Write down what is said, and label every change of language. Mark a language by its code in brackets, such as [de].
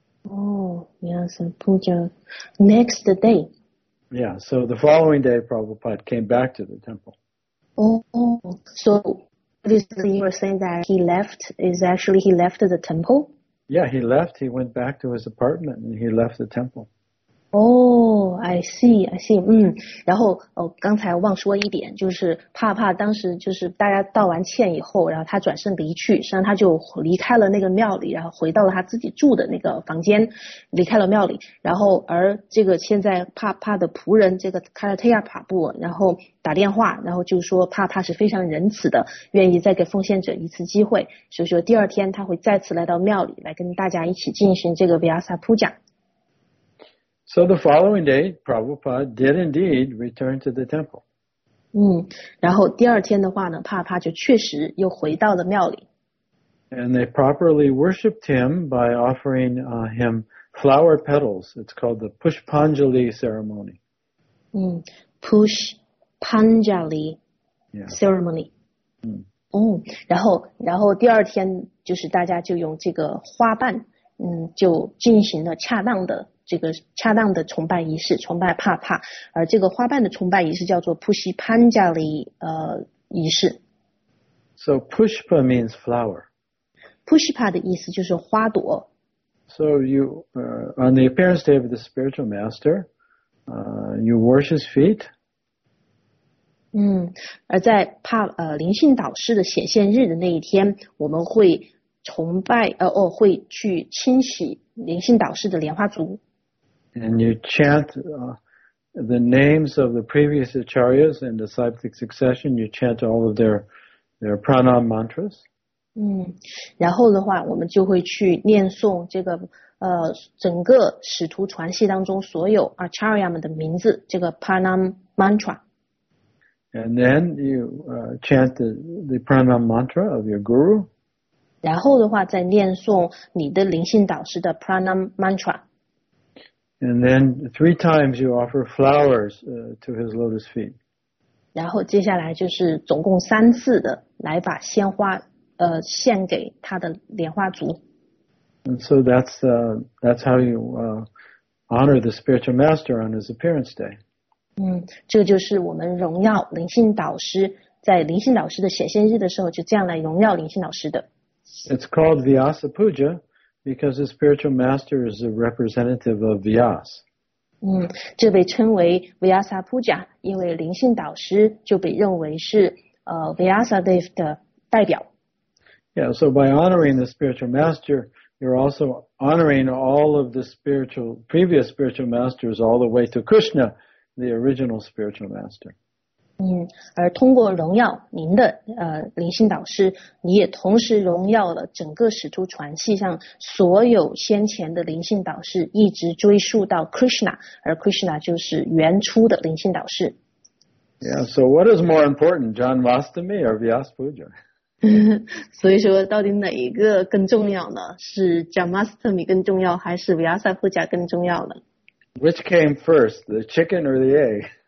[en] Oh, Vyas Puja next day. Yeah, so the following day, Prabhupada came back to the temple. Oh, so Obviously, you were saying that he left, is actually he left the temple? Yeah, he left. He went back to his apartment and he left the temple. Oh, I see. [zh] 然后、哦、刚才忘说一点，就是帕帕当时就是大家道完歉以后，然后他转身离去，实际上他就离开了那个庙里，然后回到了他自己住的那个房间，离开了庙里。然后而这个现在帕帕的仆人这个卡拉特亚帕布，然后打电话，然后就说帕帕是非常仁慈的，愿意再给奉献者一次机会，所以说第二天他会再次来到庙里来跟大家一起进行这个 Vyasa Puja。 [en] So the following day, Prabhupada did indeed return to the temple. [zh] 然后第二天的话呢，帕帕就确实又回到了庙里。 [en] And they properly worshipped him by offering him flower petals. It's called the Pushpanjali ceremony. Pushpanjali ceremony. Yeah. [zh] 然后第二天就是大家就用这个花瓣，就进行了恰当的。这个恰当的崇拜仪式，崇拜帕帕，而这个花瓣的崇拜仪式叫做 Pushpanjali 仪式。 [en] So Pushpa means flower. [zh] Pushpa 的意思就是花朵。 [en] So you, on the appearance day of the spiritual master, you wash his feet. [zh] 而在帕灵性导师的显现日的那一天，我们会崇拜会去清洗灵性导师的莲花足。 [en] And you chant the names of the previous acharyas in disciplic succession. You chant all of their pranam mantras. [zh] 然后的话，我们就会去念诵这个整个使徒传系当中所有 acharya 们的名字，这个 pranam mantra. [en] And then you chant the pranam mantra of your guru. [zh] 然后的话，再念诵你的灵性导师的 pranam mantra. [en] And then three times you offer flowers to his lotus feet. [zh] 然后接下来就是总共三次的来把鲜花献给他的莲花足。 [en] And so that's how you honor the spiritual master on his appearance day. [zh] 这就是我们荣耀灵性导师在灵性导师的显现日的时候就这样来荣耀灵性导师的。 [en] It's called Vyasa Puja. Because the spiritual master is a representative of Vyas. [zh] 这被称为 Vyasa Puja, 因为灵性导师就被认为是Vyasa Dev 的代表。 [en] Yeah, so by honoring the spiritual master, you're also honoring all of the previous spiritual masters all the way to Krishna, the original spiritual master. [zh] 而通过荣耀您的灵性导师，你也同时荣耀了整个使徒传系上所有先前的灵性导师，一直追溯到 Krishna, 而 Krishna 就是原初的灵性导师。 [en] Yeah, so what is more important, Janmashtami or Vyasa Puja? [zh] 所以说到底哪一个更重要呢？是 Janmashtami 更重要还是 Vyasa Puja 更重要呢？ [en] Which came first, the chicken or the egg?